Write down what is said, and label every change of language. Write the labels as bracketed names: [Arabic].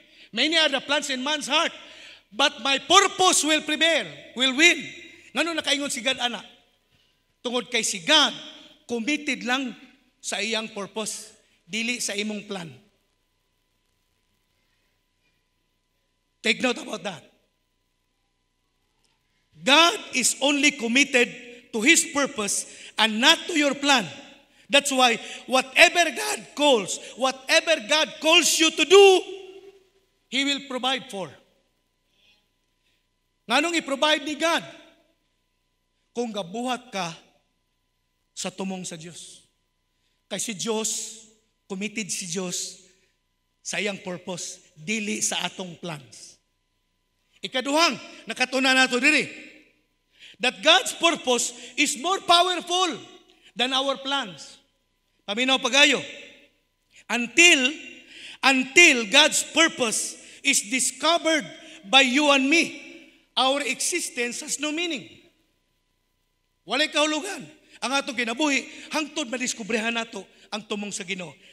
[English] Many are the plans in man's heart, but my purpose will prevail, will win. [Cebuano] Ngano nakaingon si God ana? Tungod kay si God, committed lang sa iyang purpose, dili sa imong plan. [English] Take note about that. God is only committed to His purpose and not to your plan. That's why whatever God calls you to do, He will provide for. [Cebuano] Nganong i-provide ni God? Kung gabuhat ka sa tumong sa Diyos. Kasi Diyos, committed si Diyos sa iyang purpose, dili sa atong plans. Ikaduhang, nakatunan nato diri, [English] that God's purpose is more powerful than our plans. [Cebuano] Paminaw pagayo, [English] until God's purpose is discovered by you and me, our existence has no meaning. [Cebuano] Walay kahulugan ang atong kinabuhi, hangtod madiskubrehan nato ang tumong sa Ginoo.